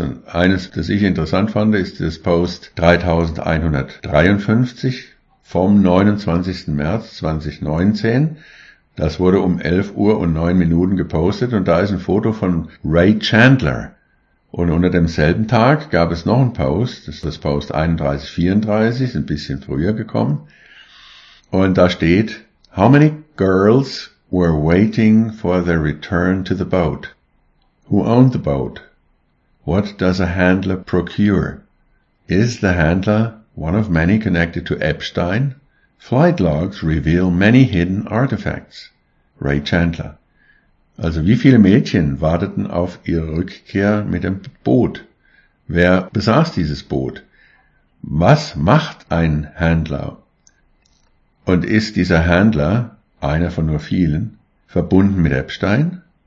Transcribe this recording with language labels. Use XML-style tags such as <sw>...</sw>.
<de>Und eines, das ich interessant fand, ist das Post 3153 vom 29. März 2019. Das wurde um 11 Uhr und 9 Minuten gepostet und da ist ein Foto von Ray Chandler. Und unter demselben Tag gab es noch einen Post, das ist das Post 3134, ist ein bisschen früher gekommen.</de> <en>Und da steht: How many girls were waiting for their return to the boat? Who owned the boat? What does a handler procure? Is the handler one of many connected to Epstein? Flight logs reveal many hidden artifacts. Ray Chandler.</en> <de>Also wie viele Mädchen warteten auf ihre Rückkehr mit dem Boot? Wer besaß dieses Boot? Was macht ein Handler? Und ist dieser Handler, einer von nur vielen, verbunden mit Epstein?</de>